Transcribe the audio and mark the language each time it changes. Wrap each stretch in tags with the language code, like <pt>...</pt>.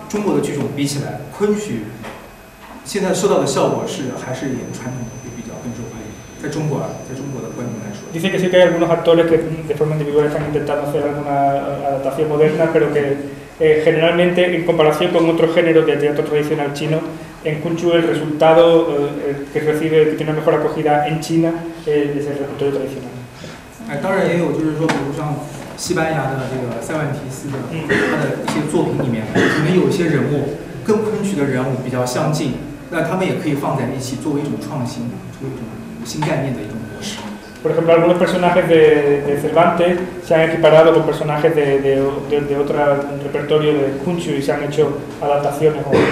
<zh>中国的剧种比起来，昆曲现在受到的效果还是演传统的比较更受欢迎。在中国的观众来说</zh> <es>，dice que sí que hay algunos actores que de forma individual están intentando hacer alguna adaptación moderna, pero que generalmente en comparación con otros géneros de teatro tradicional chino, en Kunchu el resultado que recibe, que tiene una mejor acogida en China, es el repertorio tradicional.</es> <zh>西班牙的这个塞万提斯的他的一些作品里面，可能有些人物跟昆曲的人物比较相近，那他们也可以放在一起作为一种创新，作为一种新概念的一种模式。</zh> <es>Por ejemplo, algunos personajes de Cervantes se han equiparado con personajes de otro repertorio de Kunchu y se han hecho adaptaciones.</es>